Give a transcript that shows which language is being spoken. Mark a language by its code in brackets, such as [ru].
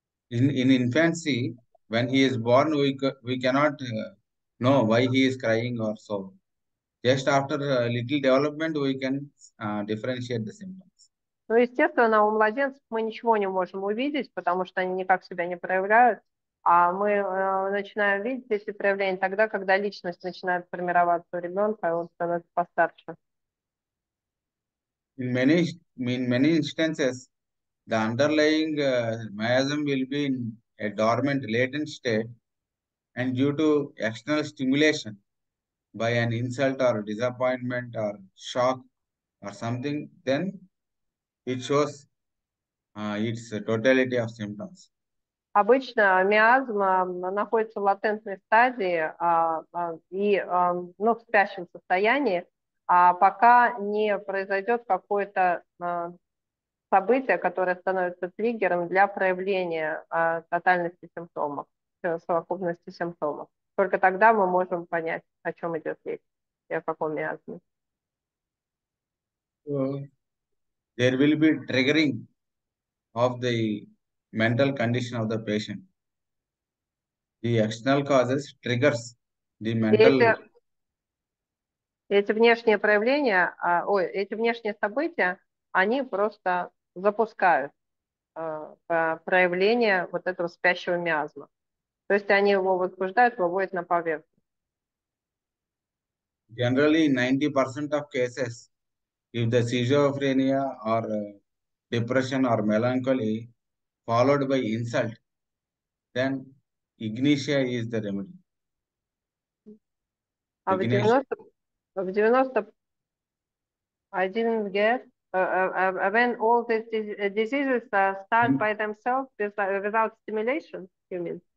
[en] In infancy, when he is born, we cannot know why he is crying or so. Just after a little development, we can differentiate the symptoms. [ru] Ну, естественно, у младенцев мы ничего не можем увидеть, потому что они никак себя не проявляют. А мы начинаем видеть эти проявления тогда, когда личность начинает формироваться у ребенка, и он становится постарше. [en] In many instances, the underlying miasm will be in a dormant, latent state, and due to external stimulation, by an insult or disappointment or shock or something, then it shows its totality of symptoms. [ru] Обычно миазм находится в латентной стадии в спящем состоянии, пока не произойдет какое-то событие, которое становится триггером для проявления тотальности симптомов, совокупности симптомов. Только тогда мы можем понять, о чем идет речь и о каком миазме. [en] There will be triggering of the mental condition of the patient. The external causes triggers the mental. [ru] Эти внешние проявления, эти внешние события, они просто запускают проявление вот этого спящего миазма. То есть они его возбуждают, выводят на поверхность. [en] Generally, 90% of cases, if the schizophrenia or depression or melancholy followed by insult, then ignatia is the remedy. [ru] А в 90, [en] I didn't get, when all these diseases start by themselves without stimulation, you mean?